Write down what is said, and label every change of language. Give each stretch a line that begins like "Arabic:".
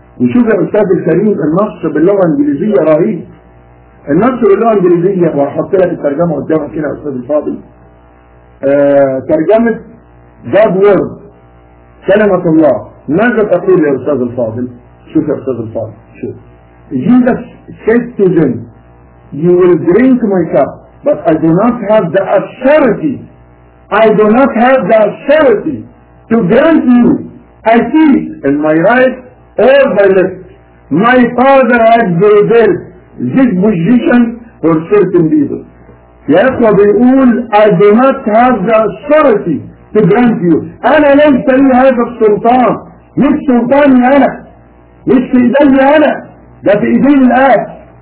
Arabic: نشوف يا استاذ الكريم النص باللغه الانجليزيه رهيب، النص باللغه الانجليزيه، وهحط لك الترجمه قدامك هنا يا استاذ الفاضل. ترجمه God word، كلمه الله. ماذا تقول يا استاذ الفاضل؟ شوف يا استاذ الفاضل، شوف.
English: Jesus said to them, you will drink my cup but I do not have the authority, I do not have the authority to grant you a seat in my right or my left. My father has revealed this position for certain people.
Arabic: يا أخوة بيقول I do not have the authority to grant you. أنا ليس لي هذا السلطان، مش سلطاني أنا، مش في إيدي أنا، ده في إيدي الآب.